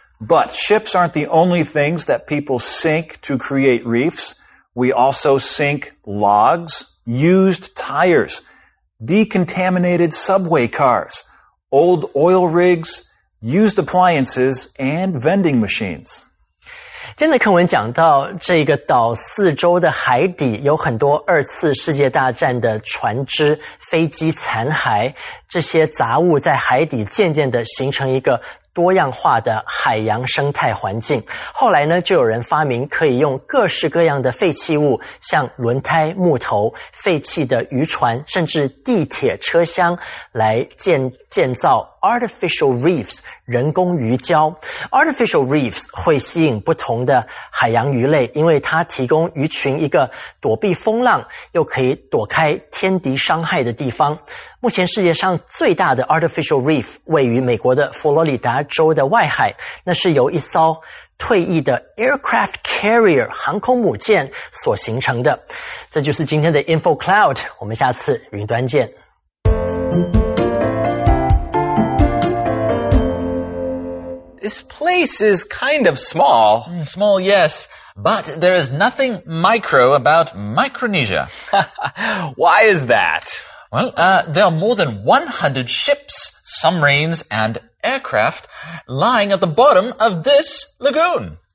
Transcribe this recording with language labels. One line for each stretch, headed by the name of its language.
English: But ships aren't the only things that people sink to create reefs. We also sink logs, used tires, decontaminated subway cars, old oil rigs, used appliances, and vending machines.
Chinese: 今天的课文讲到这个岛四周的海底有很多二次世界大战的船只、飞机残骸，这些杂物在海底渐渐地形成一个多样化的海洋生态环境。后来呢，就有人发明可以用各式各样的废弃物，像轮胎、木头、废弃的渔船，甚至地铁车厢，来建造 artificial reefs 人工鱼礁。 artificial reefs 会吸引不同的海洋鱼类，因为它提供鱼群一个躲避风浪又可以躲开天敌伤害的地方。目前世界上最大的 artificial reef 位于美国的佛罗里达州的外海，那是由一艘退役的 aircraft carrier 航空母舰所形成的。这就是今天的 info cloud， 我们下次云端见。
English: This place is kind of small. Small, yes. But there is nothing micro about Micronesia. Why is that? Well, there are more than 100 ships, submarines, and aircraft lying at the bottom of this lagoon.